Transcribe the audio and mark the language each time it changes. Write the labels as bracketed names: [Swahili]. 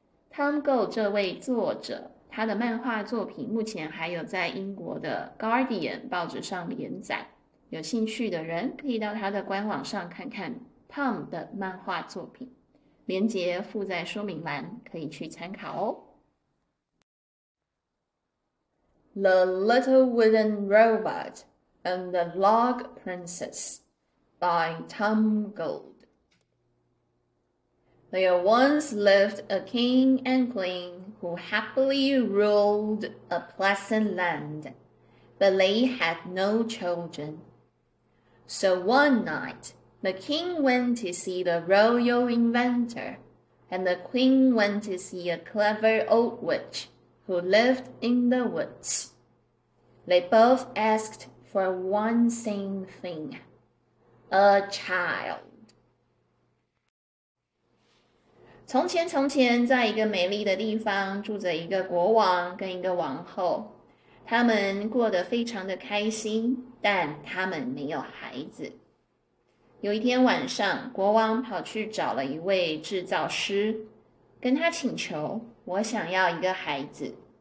[Chinese] Tom Gold 这位作者，他的漫画作品目前还有在英国的《Guardian》报纸上连载。有兴趣的人可以到他的官网上看看 Tom 的漫画作品，连结附在说明栏，可以去参考哦。 [English] The Little Wooden Robot and the Log Princess by Tom Gold. There once lived a king and queen who happily ruled a pleasant land, but they had no children. So one night, the king went to see the royal inventor, and the queen went to see a clever old witch who lived in the woods. They both asked for one same thing, a child. [Chinese] 从前，从前，在一个美丽的地方，住着一个国王跟一个王后，他们过得非常的开心，但他们没有孩子。有一天晚上，国王跑去找了一位制造师，跟他请求：“我想要一个孩子。